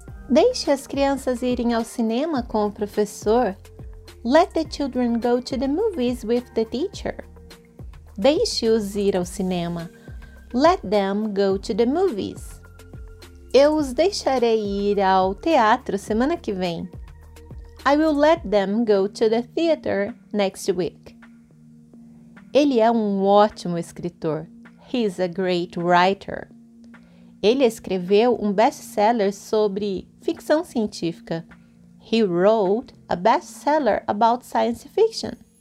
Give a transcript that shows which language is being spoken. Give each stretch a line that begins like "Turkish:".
Portuguese: Deixe as crianças irem ao cinema com o professor.
English: Let the children go to the movies with the teacher.
Portuguese: Deixe-os ir ao cinema.
English: Let them go to the movies.
Portuguese: Eu os deixarei ir ao teatro semana que vem.
English: I will let them go to the theater next week.
Portuguese: Ele é um ótimo escritor.
English: He is a great writer.
Portuguese: Ele escreveu um best-seller sobre ficção científica.
English: He wrote a best-seller about science fiction.